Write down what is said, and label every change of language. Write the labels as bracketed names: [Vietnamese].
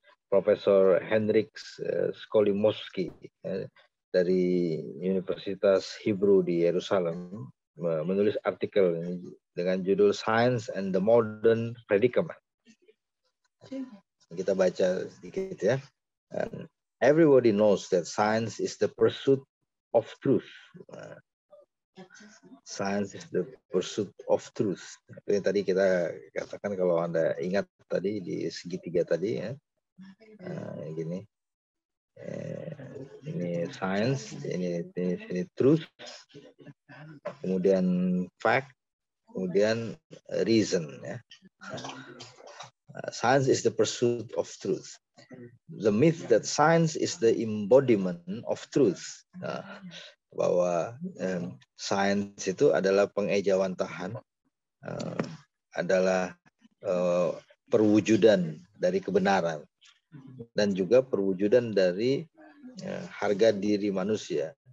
[Indonesian] Profesor Hendrik Skolimowski dari Universitas Hebrew di Yerusalem menulis artikel ini dengan judul Science and the Modern Predicament. Kita baca sedikit ya. [English] Everybody knows that science is the pursuit of truth. Science is the pursuit of truth. [Indonesian] Ini tadi kita katakan, kalau Anda ingat tadi di segitiga tadi ya. Ini science, ini truth. Kemudian fact, kemudian reason ya. [English] Science is the pursuit of truth. The myth that science is the embodiment of truth. [Indonesian] Bahwa science itu adalah pengejawantahan, adalah perwujudan dari kebenaran, dan juga perwujudan dari harga diri manusia.